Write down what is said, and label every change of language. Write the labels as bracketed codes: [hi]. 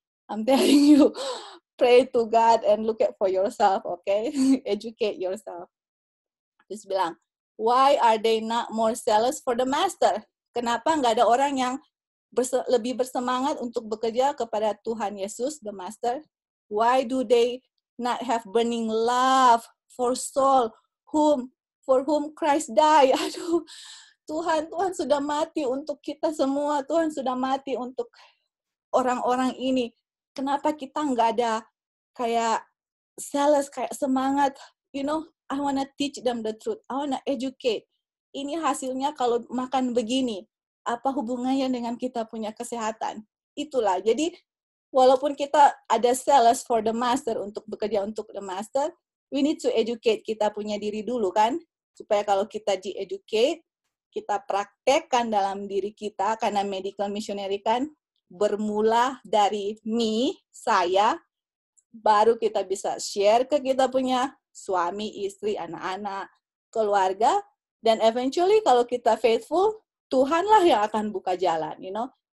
[en] I'm telling you, pray to God and look at for yourself, okay? Educate yourself. [id] Terus bilang, [en] why are they not more zealous for the master? [id] Kenapa nggak ada orang yang lebih bersemangat untuk bekerja kepada Tuhan Yesus, the master? [en] Why do they not have burning love for soul for whom Christ died? [id] Aduh, Tuhan sudah mati untuk kita semua. Tuhan sudah mati untuk orang-orang ini. Kenapa kita nggak ada kayak zealous, kayak semangat? [en] You know, I wanna teach them the truth. I wanna educate. [id] Ini hasilnya kalau makan begini. Apa hubungannya dengan kita punya kesehatan? Itulah. Jadi, walaupun kita ada zealous for the master, untuk bekerja untuk the master, [en] we need to educate [id] kita punya diri dulu, kan? Supaya kalau kita di-educate, kita praktekkan dalam diri kita, karena medical missionary kan bermula dari me, saya, baru kita bisa share ke kita punya suami, istri, anak-anak, keluarga, dan eventually kalau kita faithful, Tuhanlah yang akan buka jalan, [en] you know.